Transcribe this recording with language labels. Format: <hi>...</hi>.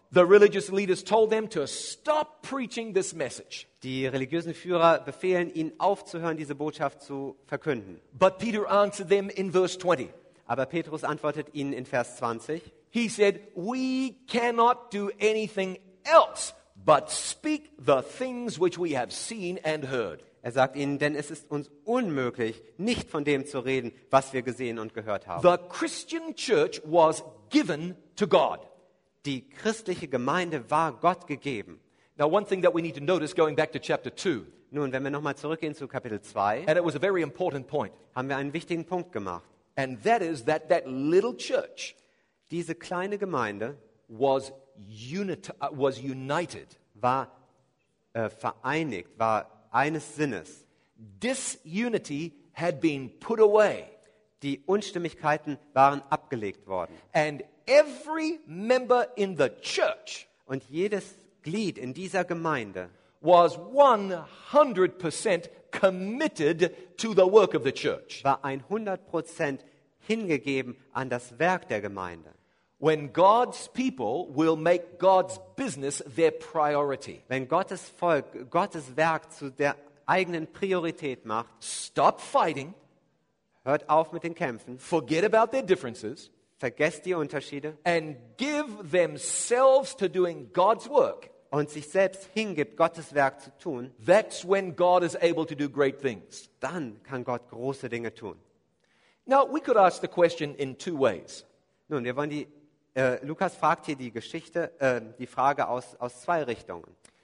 <en>The religious leaders told them to stop preaching this message.</en> <de>Die religiösen Führer befehlen ihnen aufzuhören, diese Botschaft zu verkünden.</de> <en>But Peter answered them in verse 20.</en> <de>Aber Petrus antwortet ihnen in Vers 20.</de> <en>He said, we cannot do anything else but speak the things which we have seen and heard.</en> <de>Er sagt ihnen, denn es ist uns unmöglich, nicht von dem zu reden, was wir gesehen und gehört haben.</de> <en>The Christian church was given to God.</en> <de>Die christliche Gemeinde war Gott gegeben.</de> <en>Now one thing that we need to notice going back to chapter 2.</en> <de>Nun, wenn wir nochmal zurückgehen zu Kapitel 2.</de> <en>And it was a very important point.</en> <de>Haben wir einen wichtigen Punkt gemacht.</de> <en>And that is that little church,</en> <de>diese kleine Gemeinde,</de> <en>was was united.</en> <de>War vereinigt, war eines Sinnes.</de> <en>Disunity had been put away.</en> <de>Die Unstimmigkeiten waren abgelegt worden.</de> <en>And every member in the church,</en> <de>und jedes Glied in dieser Gemeinde,</de> <en>was 100% committed to the work of the church.</en> <de>War 100% hingegeben an das Werk der Gemeinde.</de> <en>When God's people will make God's business their priority.</en> <de>Wenn Gottes Volk Gottes Werk zu der eigenen Priorität macht,</de> <en>stop fighting.</en> <de>Hört auf mit den Kämpfen.</de> <en>Forget about their differences.</en> <de>Vergesst die Unterschiede.</de> <en>And give themselves to doing God's work.</en> <de>Und sich selbst hingibt, Gottes Werk zu tun.</de> <en>That's when God is able to do great things.</en> <de>Dann kann Gott große Dinge tun.</de> <en>Now we could ask the question in two ways.</en> <de>Nun, wir wollen die Lukas fragt hier die Geschichte, die Frage aus zwei Richtungen.</de>